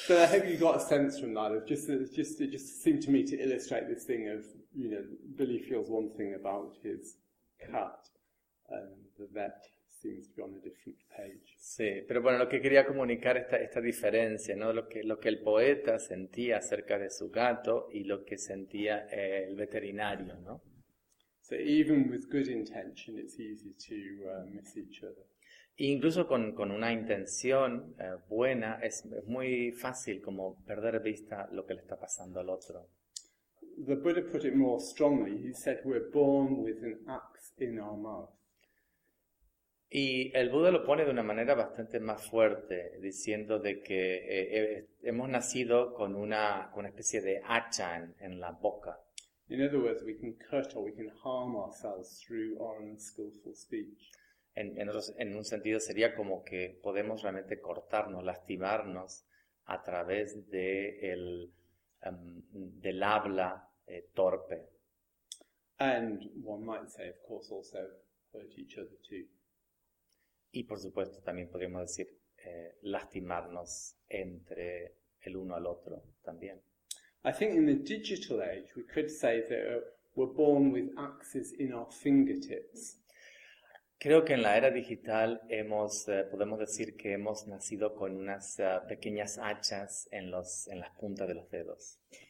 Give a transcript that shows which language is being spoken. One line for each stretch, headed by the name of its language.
English: So I hope you got a sense from that. It just seemed to me to illustrate this thing of, you know, Billy feels one thing about his cat, and the vet seems to be on a different page.
Spanish: Sí, pero bueno, lo que quería comunicar esta diferencia, ¿no? Lo que el poeta sentía acerca de su gato y lo que sentía el veterinario, ¿no?
English: So even with good intention, it's easy to miss each other.
Spanish: E incluso con una intención buena, es muy fácil como perder vista lo que le está pasando al otro.
English: The Buddha put it more strongly. He said, "We're born with an axe in our mouth."
Spanish: Y el Buda lo pone de una manera bastante más fuerte, diciendo de que hemos nacido con una especie de hacha en la boca.
English: In other words, we can cut or we can harm ourselves through our unskillful speech.
Spanish: En un sentido sería como que podemos realmente cortarnos, lastimarnos a través de del habla torpe.
English: And one might say, of course, also hurt each other too.
Spanish: Y por supuesto también podríamos decir lastimarnos entre el uno al otro también.
English: I think in the digital age we could say that we're born with axes in our fingertips.
Spanish: Creo que en la era digital podemos decir que hemos nacido con unas pequeñas hachas en las puntas de los dedos.